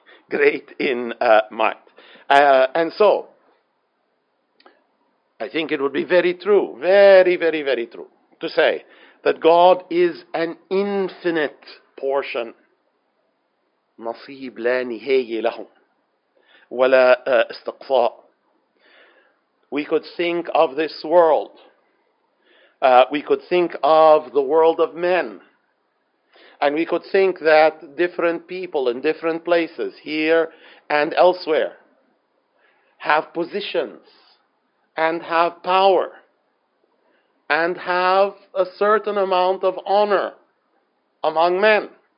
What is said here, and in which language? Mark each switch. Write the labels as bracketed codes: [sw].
[en] Great in might. And so, I think it would be very true, very, very, very true to say that God is an infinite portion. [ar] نصيب لا نهاية له ولا استقصاء. [en] We could think of this world. We could think of the world of men. And we could think that different people in different places, here and elsewhere, have positions. And have power, and have a certain amount of honor among men.